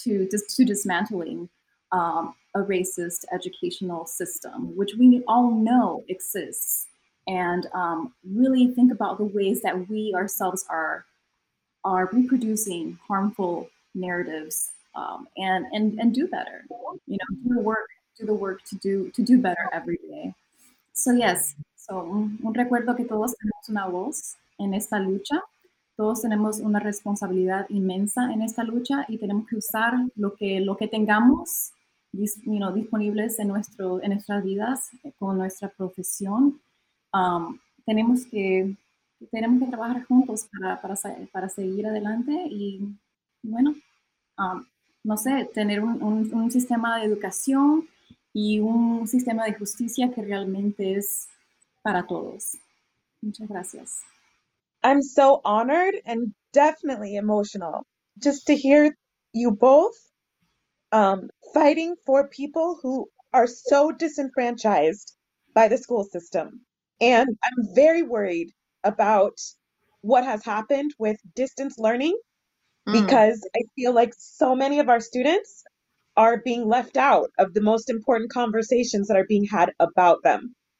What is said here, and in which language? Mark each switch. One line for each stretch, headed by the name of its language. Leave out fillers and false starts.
English: To dismantling a racist educational system, which we all know exists, and really think about the ways that we ourselves are reproducing harmful narratives, and do better. Do the work to do better every day. So yes, so
Spanish: un recuerdo que todos tenemos una voz en esta lucha. Todos tenemos una responsabilidad inmensa en esta lucha, y tenemos que usar lo que tengamos. Disponibles en nuestras vidas, con nuestra profesión, tenemos que trabajar juntos para seguir adelante y, no sé, tener un sistema de educación y un sistema de justicia que realmente es para todos. Muchas gracias.
English: I'm so honored and definitely emotional just to hear you both fighting for people who are so disenfranchised by the school system. And I'm very worried about what has happened with distance learning, because I feel like so many of our students are being left out of the most important conversations that are being had about them.